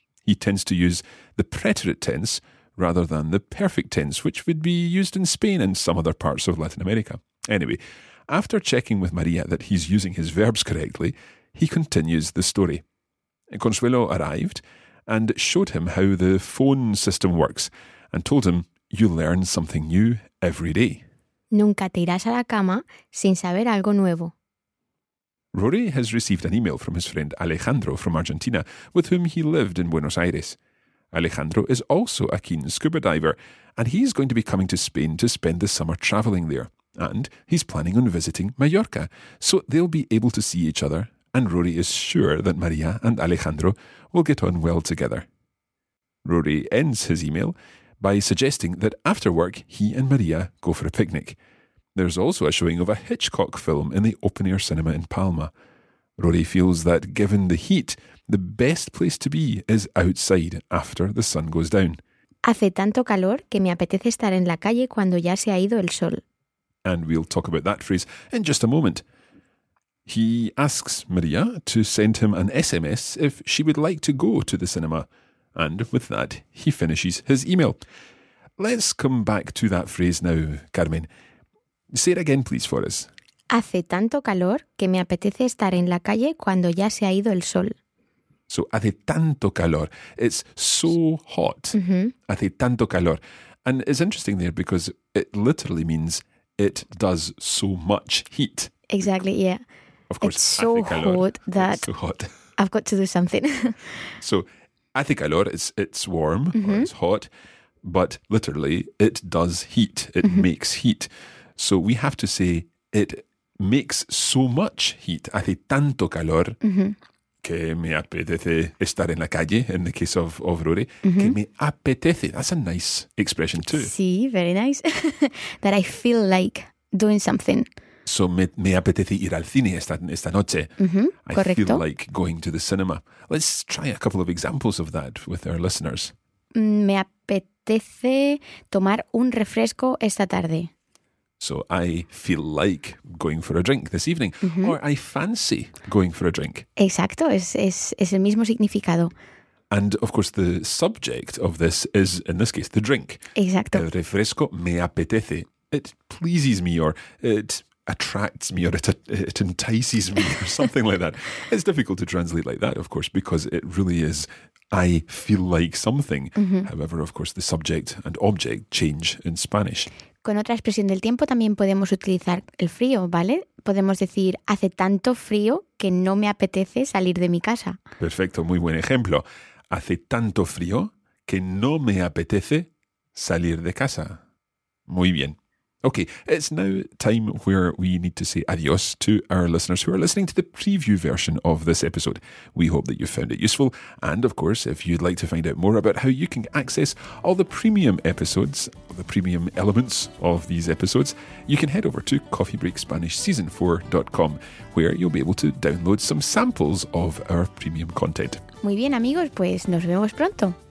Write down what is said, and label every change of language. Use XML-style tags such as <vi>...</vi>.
<en>He tends to use the preterite tense rather than the perfect tense, which would be used in Spain and some other parts of Latin America. Anyway, after checking with María that he's using his verbs correctly, he continues the story. Consuelo arrived and showed him how the phone system works, and told him, you learn something new every day.</en> <es>Nunca te irás a la cama sin saber algo nuevo.</es> <en>Rory has received an email from his friend Alejandro from Argentina, with whom he lived in Buenos Aires. Alejandro is also a keen scuba diver, and he's going to be coming to Spain to spend the summer travelling there. And he's planning on visiting Mallorca, so they'll be able to see each other, and Rory is sure that María and Alejandro will get on well together. Rory ends his email by suggesting that after work, he and María go for a picnic. There's also a showing of a Hitchcock film in the Open Air Cinema in Palma. Rory feels that given the heat, the best place to be is outside after the sun goes down.</en> <es>Hace tanto calor que me apetece estar en la calle cuando ya se ha ido el sol.</es> <en>And we'll talk about that phrase in just a moment. He asks Maria to send him an SMS if she would like to go to the cinema. And with that, he finishes his email. Let's come back to that phrase now, Carmen. Say it again, please, for us.</en> <es>Hace tanto calor que me apetece estar en la calle cuando ya se ha ido el sol.</es> <en>So,</en> <es>hace tanto calor.</es> <en>It's so hot. Mm-hmm.</en> <es>Hace tanto calor.</es> <en>And it's interesting there because it literally means it does so much heat. Exactly, yeah. Of course, it's so hot that it's so hot. I've got to do something. So,</en> <es>hace calor,</es> <en>it's warm, mm-hmm, or it's hot, but literally, it does heat. It makes heat. So, we have to say it makes so much heat.</en> <es>Hace tanto calor. Mm-hmm. Que me apetece estar en la calle,</es> <en>in the case of Rory. Mm-hmm.</en> <es>Que me apetece.</es> <en>That's a nice expression too. Sí, very nice. That I feel like doing something.</en> <es>So me apetece ir al cine esta noche. Mm-hmm.</es> <en>I</en> <es>Correcto.</es> <en>Feel like going to the cinema. Let's try a couple of examples of that with our listeners.</en> <es>Me apetece tomar un refresco esta tarde.</es> <en>So I feel like going for a drink this evening, mm-hmm, or I fancy going for a drink.</en> <es>Exacto, es el mismo significado.</es> <en>And of course the subject of this is, in this case, the drink.</en> <es>Exacto. El refresco me apetece.</es> <en>It pleases me, or it attracts me, or it entices me, or something like that. It's difficult to translate like that, of course, because it really is I feel like something. Mm-hmm. However, of course, the subject and object change in Spanish.</en> <es>Con otra expresión del tiempo también podemos utilizar el frío, ¿vale? Podemos decir, hace tanto frío que no me apetece salir de mi casa. Perfecto, muy buen ejemplo. Hace tanto frío que no me apetece salir de casa. Muy bien.</es> <en>Okay, it's now time where we need to say adios to our listeners who are listening to the preview version of this episode. We hope that you found it useful. And of course, if you'd like to find out more about how you can access all the premium episodes, the premium elements of these episodes, you can head over to coffeebreakspanishseason4.com, where you'll be able to download some samples of our premium content.</en> <es>Muy bien, amigos, pues nos vemos pronto.</es>